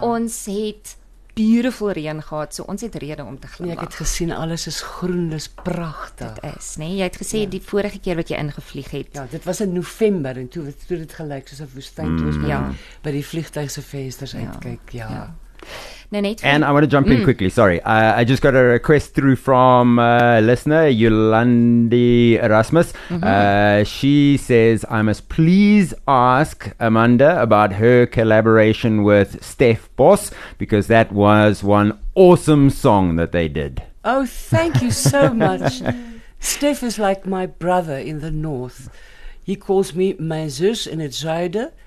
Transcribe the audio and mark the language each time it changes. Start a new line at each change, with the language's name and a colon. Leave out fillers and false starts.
Afrikaans: Ons het beautiful reën gehad, so ons het rede om te glimlag. Nee, ek het gesien, alles is groen, dis pragtig. Dit is, nee, jy het gesê die vorige keer wat jy ingevlieg het. Ja, dit was in November en toe het gelyk soos 'n woestyn, toe was by die vliegtuigse vensters uitkyk,
English: And I want to jump in quickly, sorry. I just got a request through from a listener, Yolandi Erasmus. Mm-hmm. She says, I must please ask Amanda about her collaboration with Steph Boss, because that was one awesome song that they did. Oh, thank you so much. Steph is like my brother in the north. He calls me my
Dutch: zus in het zuiden.